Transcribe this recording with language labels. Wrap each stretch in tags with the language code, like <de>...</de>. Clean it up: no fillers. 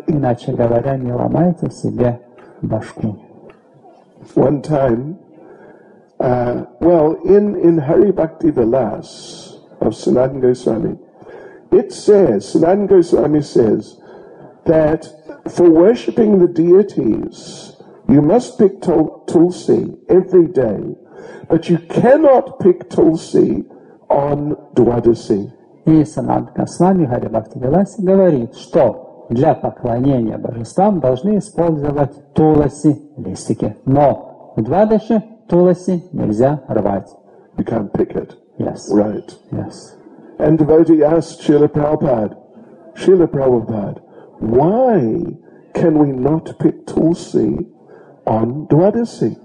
<ru>Иначе говоря, не ломайте себе башку.</ru> <en>One time, in Hari Bhakti Vilas of Sanatan Goswami, it says, Sanatan Goswami says, that for worshipping the deities, you must pick tulsi every day, but you cannot pick tulsi on Dwadasi.</en> <ru>И Санатан Госвами Хари Бхакти Виласе говорит, что для поклонения божествам должны использовать туласи, листики. Но в Двадаши туласи нельзя рвать.</ru> <en>You can't pick it. Yes. Right. Yes. And devotee asked Srila Prabhupada, Srila Prabhupada, why can we not pick tulsi on Dwadasi?</en>